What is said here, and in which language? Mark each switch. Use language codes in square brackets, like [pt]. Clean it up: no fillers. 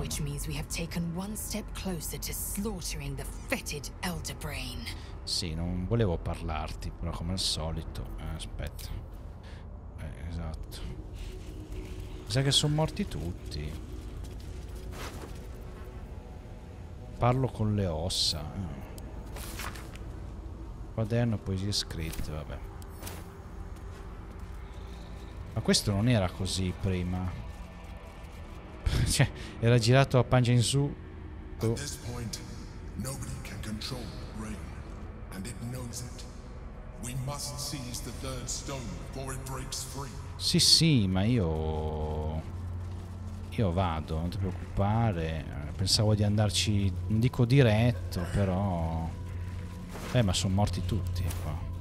[en] Which means we have taken one step closer to slaughtering the fetid Elder Brain. [it] Sì, non volevo parlarti, però come al solito. Aspetta. Esatto. Mi sa che sono morti tutti. Parlo con le ossa. Quaderno, poesie scritte, vabbè. Ma questo non era così prima. Cioè, era girato a pancia in su. [en] At this point, nobody can control the brain, and it knows it. We must seize the third stone before it breaks free. [it] Sì, sì, ma io vado, non ti preoccupare. Pensavo di andarci, non dico diretto, però. Ma sono morti tutti qua.